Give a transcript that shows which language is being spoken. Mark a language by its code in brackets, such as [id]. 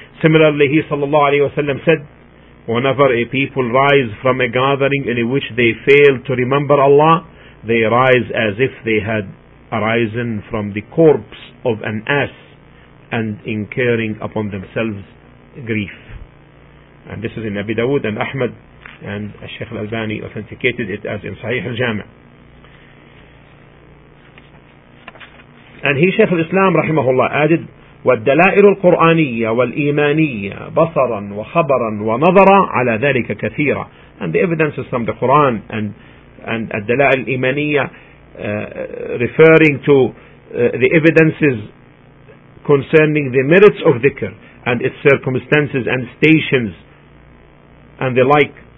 [en] Similarly, he sallallahu alayhi wa sallam said, whenever a people rise from a gathering in which they fail to remember Allah, they rise as if they had arisen from the corpse of an ass and incurring upon themselves grief. And this is in Abi Dawood and Ahmad, and Shaykh al-Albani authenticated it as in Sahih al-Jami'. And he, Shaykh al-Islam rahimahullah, added, [ar] والدلائل القرآنية والإيمانية بصرا وخبرا ونظرا على ذلك كثيرة. [en] And the evidences from the Quran and [ar] الدلائل الإيمانية [en] referring to the evidences concerning the merits of dhikr and its circumstances and stations and the like,